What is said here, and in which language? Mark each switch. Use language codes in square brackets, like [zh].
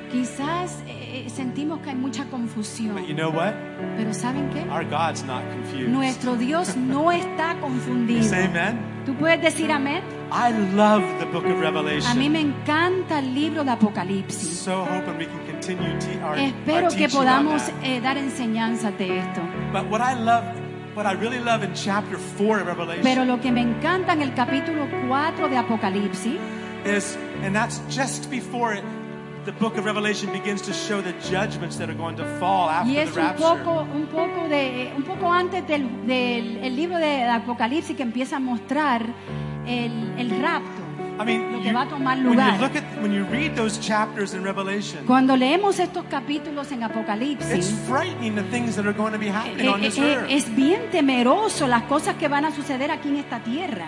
[es] Quizás sentimos que hay mucha confusión. [en] But you know what? [es] Pero ¿saben qué? [en] Our God's not confused. [es] Nuestro Dios no está confundido. [en] Say amen. [es] ¿Tú puedes decir amén? [en] I love the book of Revelation. [es] A mí me encanta el libro de Apocalipsis. [en] So hoping we can continue to our [es] espero [en] our [es] que podamos dar enseñanzas de esto. [en] But what I love what I really love in chapter 4 of Revelation. [es] Pero lo que me encanta en el capítulo 4 de Apocalipsis [en] is, and that's just before it, the book of Revelation begins to show the judgments that are going to fall after the rapture. [es] Y es un poco antes del el libro de Apocalipsis que empieza a mostrar el rapto. [en] I mean, [es] lo que va a tomar lugar. [en] When you read those chapters in Revelation, [es] cuando leemos estos capítulos en Apocalipsis, [en] it's frightening the things that are going to be happening on this earth. [es] Es bien temeroso las cosas que van a suceder aquí en esta tierra.